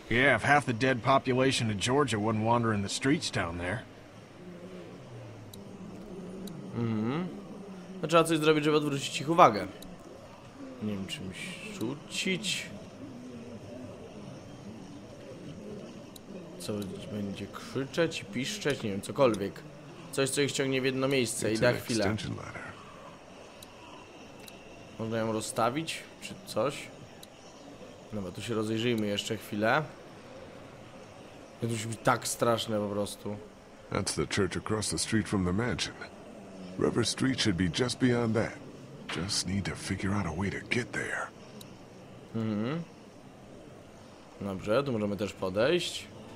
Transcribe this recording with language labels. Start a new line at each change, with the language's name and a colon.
English: Yeah, if half the dead population of Georgia wasn't wandering the streets down there.
Polish: To trzeba coś zrobić, żeby odwrócić ich uwagę. Nie wiem, czymś rzucić. Co będzie krzyczeć i piszczeć, nie wiem, cokolwiek. Coś, co ich ciągnie w jedno miejsce i da chwilę. Można ją rozstawić, czy coś? Dobra, tu się rozejrzyjmy jeszcze chwilę. To musi być tak straszne po prostu.
English: That's the church across the street from the mansion. River Street should be just beyond that. Just need to figure out a way to get there.
Polish: Dobrze, tu możemy też podejść.